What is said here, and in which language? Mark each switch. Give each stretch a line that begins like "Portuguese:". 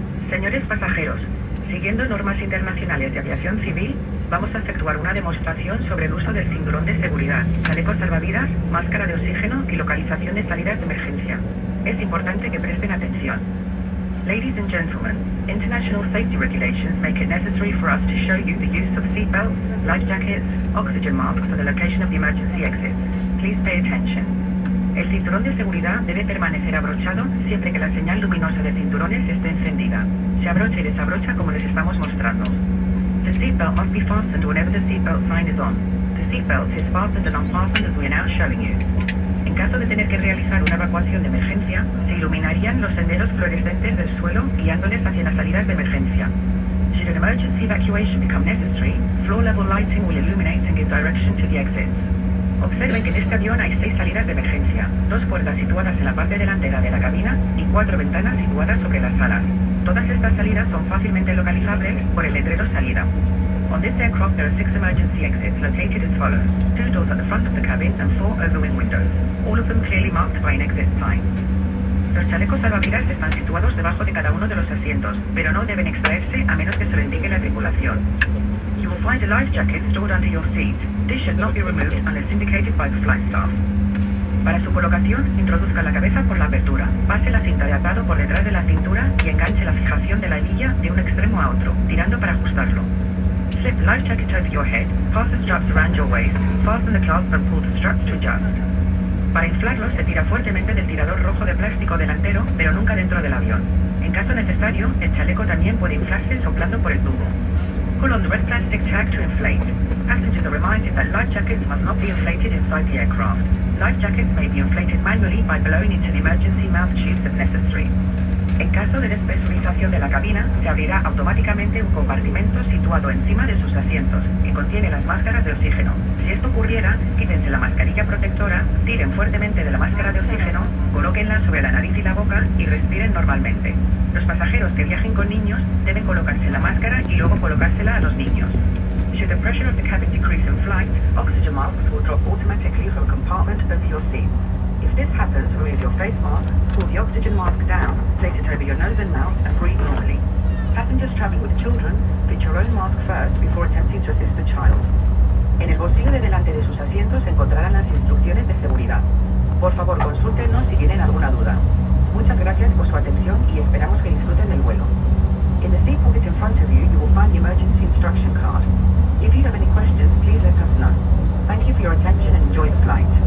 Spanish: Señores pasajeros, siguiendo normas internacionales de aviación civil, vamos a efectuar una demostración sobre el uso del cinturón de seguridad, chaleco salvavidas, máscara de oxígeno y localización de salidas de emergencia. Es importante que presten atención.
English: Ladies and gentlemen, international safety regulations make it necessary for us to show you the use of seatbelts, life jackets, oxygen masks for the location of the emergency exit. Please pay attention.
Spanish: El cinturón de seguridad debe permanecer abrochado siempre que la señal luminosa de cinturones esté encendida. Se abrocha y desabrocha como les estamos mostrando.
English: The seatbelt must be fastened whenever the seatbelt sign is on. The seatbelt is fastened and unfastened as we are now showing you.
Spanish: En caso de tener que realizar una evacuación de emergencia, se iluminarían los senderos fluorescentes del suelo guiándoles hacia las salidas de emergencia.
English: Should an emergency evacuation become necessary, floor-level lighting will illuminate and give direction to the exits.
Spanish: Observen que en este avión hay 6 salidas de emergencia, 2 puertas situadas en la parte delantera de la cabina y 4 ventanas situadas sobre las alas. Todas estas salidas son fácilmente localizables por el letrero salida.
English: On this aircraft, there are 6 emergency exits located as follows. 2 doors at the front of the cabin and 4 overwing windows, all of them clearly marked by an exit sign.
Spanish: Los chalecos salvavidas están situados debajo de cada uno de los asientos, pero no deben extraerse a menos que se lo indique la tripulación.
English: You will find a life jacket stored under your seat. This should not be removed unless indicated by the flight staff.
Spanish: Para su colocación, introduzca la cabeza por la apertura, pase la cinta de atado por detrás de la cintura y enganche la fijación de la hebilla de un extremo a otro, tirando para ajustarlo.
English: Slip the life jacket over your head, pass the straps around your waist, fasten the clasp and pull the straps to adjust.
Spanish: Para inflarlo, se tira fuertemente del tirador rojo de plástico delantero, pero nunca dentro del avión. En caso necesario, el chaleco también puede inflarse soplando por el tubo.
English: Pull on the red plastic tag to inflate. Passengers are reminded that life jackets must not be inflated inside the aircraft. Life jackets may be inflated manually by blowing into the emergency mouth tubes if necessary.
Spanish: En caso de despresurización de la cabina, se abrirá automáticamente un compartimento situado encima de sus asientos, que contiene las máscaras de oxígeno. Si esto ocurriera, quítense la mascarilla protectora, tiren fuertemente de la máscara de oxígeno, colóquenla sobre la nariz y la boca y respiren normalmente. Los pasajeros que viajen con niños deben colocarse la máscara y luego colocársela a los niños.
English: Should the pressure of the cabin decrease in flight, oxygen masks will drop automatically from a compartment over your seat. If this happens, remove your face mask, pull the oxygen mask down, place it over your nose and mouth, and breathe normally. Passengers traveling with children, fit your own mask first before attempting to assist the child.
Spanish: En el bolsillo de delante de sus asientos encontrarán las instrucciones de seguridad. Por favor, consúltenos si tienen alguna duda. Muchas gracias por su atención y esperamos que disfruten del vuelo.
English: In the seat pocket in front of you, you will find the emergency instruction card. If you have any questions, please let us know. Thank you for your attention and enjoy the flight.